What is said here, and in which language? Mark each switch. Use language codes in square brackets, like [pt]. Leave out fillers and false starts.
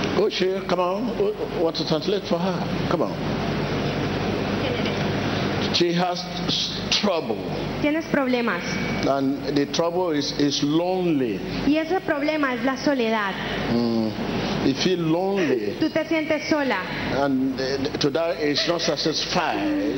[en] Here, come on, what to translate for her? Come on. She has trouble. [es] Tienes problemas. [en] And the trouble is lonely. [es] Y ese problema es la soledad. [en] You feel lonely. [es] Tú te sientes sola. [en] And to that is not satisfied.